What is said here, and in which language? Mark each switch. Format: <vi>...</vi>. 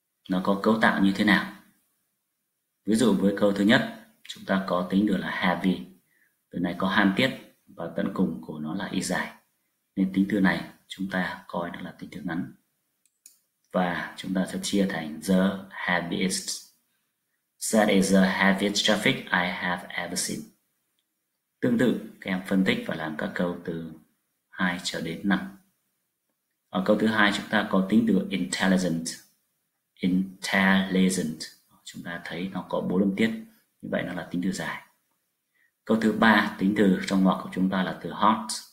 <vi>Nó có cấu tạo như thế nào? Ví dụ với câu thứ nhất, chúng ta có tính từ là heavy. Từ này có hàm tiết và tận cùng của nó là y dài. Nên tính từ này chúng ta coi nó là tính từ ngắn. Và chúng ta sẽ chia thành</vi> <en>the heaviest. That is the heaviest traffic I have ever seen.</en> <vi>Tương tự, các em phân tích và làm các câu từ 2 cho đến 5. Ở câu thứ hai chúng ta có tính từ intelligent. Intelligent. Chúng ta thấy nó có 4 âm tiết, như vậy nó là tính từ dài. Câu thứ ba tính từ trong ngoặc của chúng ta là từ hot.</vi>